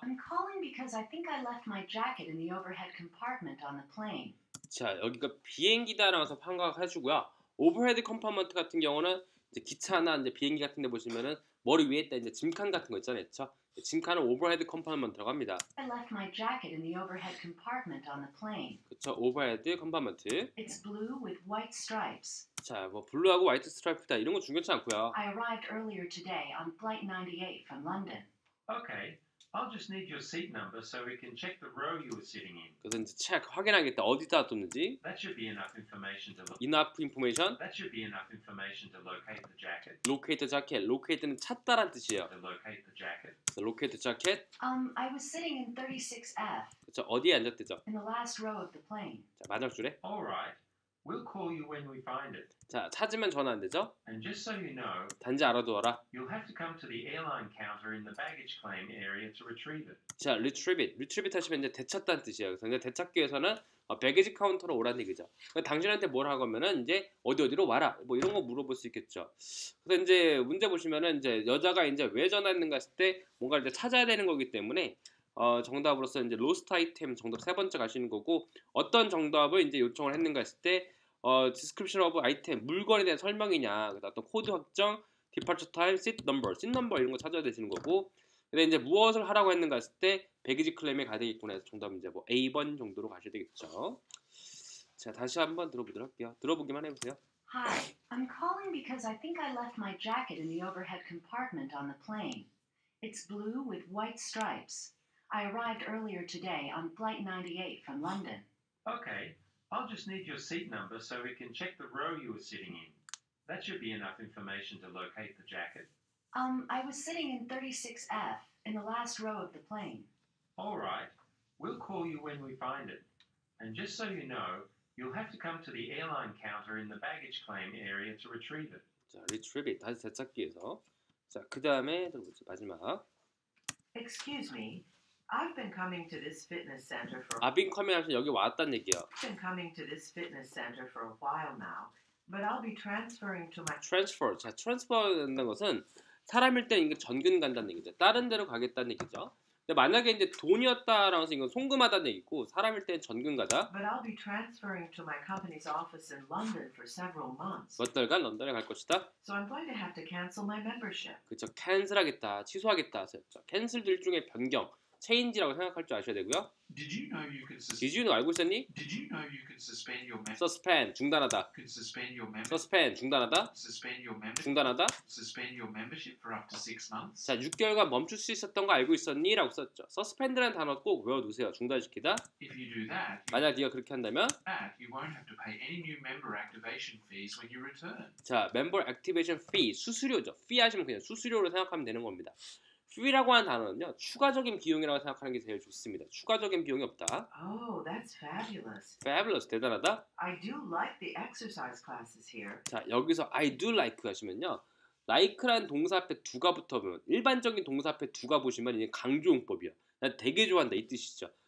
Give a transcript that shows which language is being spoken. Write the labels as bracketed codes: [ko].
[en] I'm calling because I think I left my jacket in the overhead compartment on the plane. [ko] 자, 여기가 비행기다라고서 생각해주고요. [en] Overhead compartment [ko] 같은 경우는 이제 기차나 이제 비행기 같은데 보시면은 머리 위에 있다 이제 짐칸 같은 거 있잖아요, 그렇죠? 짐칸을 [en] overhead compartment [ko] 라고 합니다. [en] I left my jacket in the overhead compartment on the plane. [ko] 그렇죠, [en] overhead compartment. It's blue with white stripes. [ko] 자, 뭐 블루하고 화이트 스트라이프다 이런 거 중요치 않고요. [en] I arrived earlier today on flight 98 from London. Okay, I'll just need your seat number so we can check the row you were sitting in. [ko] 그래서 이제 체크 확인하겠다 어디다 뒀는지. [en] That should be enough information to enough information. That should be enough information to locate the jacket. Locate the jacket. [ko] Locate는 찾다란 뜻이에요. [en] To locate the jacket. So locate the jacket. I was sitting in 36F. [ko] 그렇죠. 어디에 앉았대죠? [en] In the last row of the plane. [ko] 자, 마지막 줄에. [en] All right. We'll call you when we find it. [ko] 자, 찾으면 전화한대죠? [en] And just so you know, [ko] 단지 알아두어라. [en] You'll have to come to the airline counter in the baggage claim area to retrieve it. 자, retrieve it. Retrieve it [ko] 하시면 이제 되찾다는 뜻이에요. 그래서 이제 되찾기 위해서는 baggage counter로 오라는 얘기죠. 그러니까 당신한테 뭘 하면은 이제 어디 어디로 와라. 뭐 이런 거 물어볼 수 있겠죠. 그래서 이제 문제 보시면은 이제 여자가 이제 왜 전화했는가 했을 때 뭔가 이제 찾아야 되는 거기 때문에 정답으로서 이제 [en] lost item [ko] 정답 세 번째 가시는 거고 어떤 정답을 이제 요청을 했는가 했을 때 [en] description of item [ko] 물건에 대한 설명이냐 어떤 코드 확정 [en] departure time seat number seat number [ko] 이런 거 찾아야 되시는 거고 근데 이제 무엇을 하라고 했는가 했을 때 baggage claim에 가야 되겠구나 해서 정답은 이제 뭐 A번 정도로 가셔야 되겠죠. 자, 다시 한번 들어보도록 할게요. 들어보기만 해보세요. [en] Hi, I'm calling because I think I left my jacket in the overhead compartment on the plane. It's blue with white stripes. I arrived earlier today on flight 98 from London. Okay, I'll just need your seat number so we can check the row you were sitting in. That should be enough information to locate the jacket. I was sitting in 36F, in the last row of the plane. All right, we'll call you when we find it. And just so you know, you'll have to come to the airline counter in the baggage claim area to retrieve it. [ko] 자, retrieve it, 다시 되찾기에서. 자, 그 다음에, 마지막. [en] Excuse me. I've been coming to this fitness center for. I've been coming [ko] 하시면 여기 왔다는 얘기요. [en] I've been coming to this fitness center for a while now, but I'll be transferring to my. Transfer. [ko] 자, transfer라는 것은 사람일 때 이게 전근 간다는 얘기죠. 다른 데로 가겠다는 얘기죠. 근데 만약에 이제 돈이었다라고 해서 이건 송금하다는 얘기고 사람일 때 전근 가다. [en] But I'll be transferring to my company's office in London for several months. [ko] 몇 달간 런던에 갈 것이다. [en] So I'm going to have to cancel my membership. [ko] 그렇죠. 캔슬하겠다, 취소하겠다 하셨죠. 캔슬들 중에 변경. Change라고 생각할 줄 아셔야 되고요. [en] Did you know you can Did you know [ko] 알고 있었니? [en] Did you know you can suspend your member? [ko] Suspend 중단하다. [en] Can suspend your member? [ko] Suspend 중단하다. [en] Suspend your member? [ko] 중단하다. [en] Suspend your membership for up to 6 months. [ko] 자, 6개월간 멈출 수 있었던 거 알고 있었니라고 썼죠. Suspend라는 단어 꼭 외워두세요. 중단시키다. [en] If you do that, [ko] 만약 네가 그렇게 한다면, [en] that, you won't have to pay any new member activation fees when you return. [ko] 자, [en] member activation fee [ko] 수수료죠. Fee 하시면 그냥 수수료로 생각하면 되는 겁니다. Fee라고 하는 단어는요, 추가적인 비용이라고 생각하는 게 제일 좋습니다. 추가적인 비용이 없다. [en] Oh, that's fabulous. [ko] Fabulous, 대단하다. [en] I do like the exercise classes here. [ko] 자, 여기서 [en] I do like [ko] 하시면요, like라는 동사 앞에 두가 붙어보면 일반적인 동사 앞에 두가 보시면 이게 강조용법이야. 나 되게 좋아한다 이 뜻이죠.